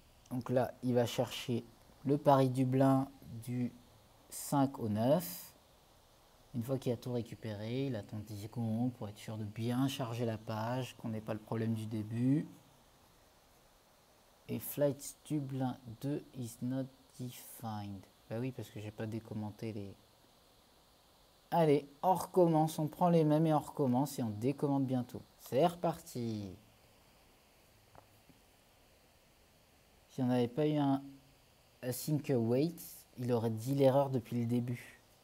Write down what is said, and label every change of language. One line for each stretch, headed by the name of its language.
French: Donc là, il va chercher. Le Paris-Dublin du 5 au 9. Une fois qu'il a tout récupéré, il attend 10 secondes pour être sûr de bien charger la page, qu'on n'ait pas le problème du début.
English: Et Flight Dublin 2 is not defined.
French: Bah oui, parce que j'ai pas décommenté les. Allez, on recommence, on prend les mêmes et on recommence et on décommande bientôt. C'est reparti. Si on n'avait pas eu un. Async await, il aurait dit l'erreur depuis le début.